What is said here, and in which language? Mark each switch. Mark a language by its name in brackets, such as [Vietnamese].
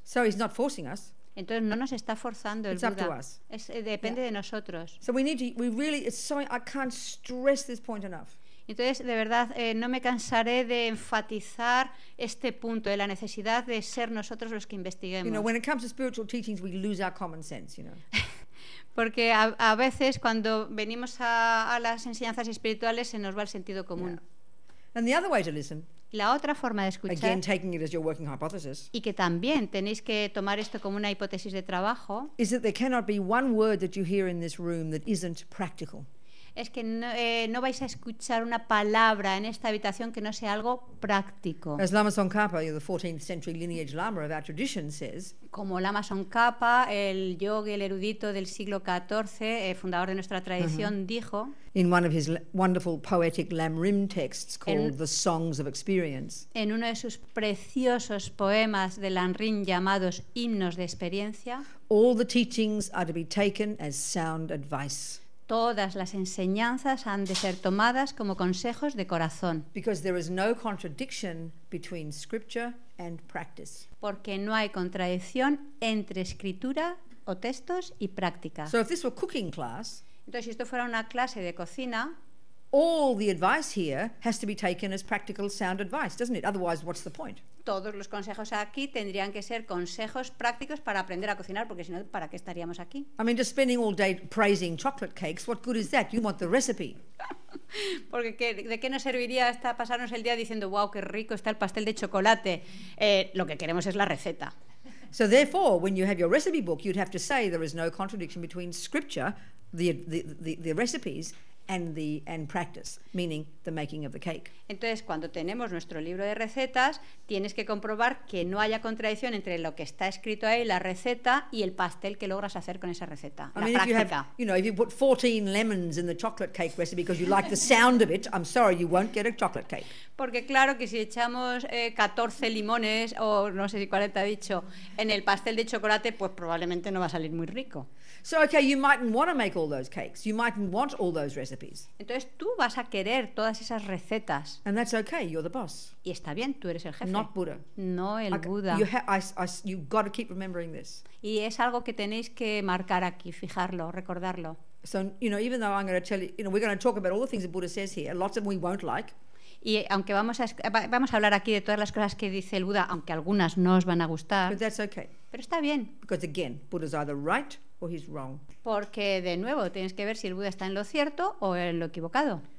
[English] So he's not forcing us. [Spanish] Entonces no nos está forzando el [English] it's [Spanish] Buda. [English] Up to us. [Spanish] Depende yeah. de nosotros. [English] So we need to. We really. It's so. I can't stress this point enough. [Spanish] Entonces, de verdad, no me cansaré de enfatizar este punto de la necesidad de ser nosotros los que investiguemos. [English] You know, when it comes to spiritual teachings, we lose our common sense, you know. [Spanish] Porque a veces cuando venimos a las enseñanzas espirituales se nos va el sentido común. [English] Yeah. And the other way to listen. [Spanish] La otra forma de escuchar. [English] Again, taking it as your working hypothesis. [Spanish] Y que también tenéis que tomar esto como una hipótesis de trabajo. [English] Is that there cannot be one word that you hear in this room that isn't practical. [Spanish] Es que no vais a escuchar una palabra en esta habitación que no sea algo práctico. [English] As Lama Tsongkhapa, the 14th century lineage Lama of our tradition, says. [Spanish] Como Lama Tsongkhapa, el yogui, el erudito del siglo XIV, fundador de nuestra tradición, uh-huh. dijo. [English] In one of his wonderful poetic Lamrim texts called The Songs of Experience. [Spanish] En uno de sus preciosos poemas de Lamrim llamados Himnos de Experiencia. [English] All the teachings are to be taken as sound advice. [Spanish] Todas las enseñanzas han de ser tomadas como consejos de corazón. [English] Because there is no contradiction between scripture and practice. [Spanish] Porque no hay contradicción entre escritura o textos y práctica. [English] So if this were cooking class, [Spanish] entonces si esto fuera una clase de cocina, [English] all the advice here has to be taken as practical sound advice, doesn't it? Otherwise, what's the point? [Spanish] Todos los consejos aquí tendrían que ser consejos prácticos para aprender a cocinar, porque si no, ¿para qué estaríamos aquí? [English] I mean, just spending all day praising chocolate cakes, what good is that? You want the recipe. [Spanish] Porque ¿de qué nos serviría hasta pasarnos el día diciendo, wow, qué rico está el pastel de chocolate? Lo que queremos es la receta. [English] So therefore, when you have your recipe book, you'd have to say there is no contradiction between scripture, the recipes, and practice, meaning the making of the cake. [Spanish] Entonces, cuando tenemos nuestro libro de recetas, tienes que comprobar que no haya contradicción entre lo que está escrito ahí, la receta, y el pastel que logras hacer con esa receta, [English] I mean, [Spanish] práctica. [English] If you put 14 lemons in the chocolate cake recipe because you like the sound of it, I'm sorry, you won't get a chocolate cake. [Spanish] Porque claro que si echamos 14 limones, o no sé si 40 ha dicho, en el pastel de chocolate, pues probablemente no va a salir muy rico. [English] So okay, you mightn't want to make all those cakes. You mightn't want all those recipes. [Spanish] Entonces tú vas a querer todas esas recetas. [English] And that's okay. You're the boss. [Spanish] Y está bien, tú eres el jefe. [English] Not Buddha. [Spanish] No el Buda. [English] You've got to keep remembering this. [Spanish] Y es algo que tenéis que marcar aquí, fijarlo, recordarlo. [English] So you know, even though I'm going to tell you, you know, we're going to talk about all the things that Buddha says here. Lots of them we won't like. [Spanish] Y aunque vamos a hablar aquí de todas las cosas que dice el Buda, aunque algunas no os van a gustar. [English] But that's okay. [Spanish] Pero está bien. [English] Because again, Buddha's either right. [Spanish] Porque de nuevo tienes que ver si el Buda está en lo cierto o en lo equivocado.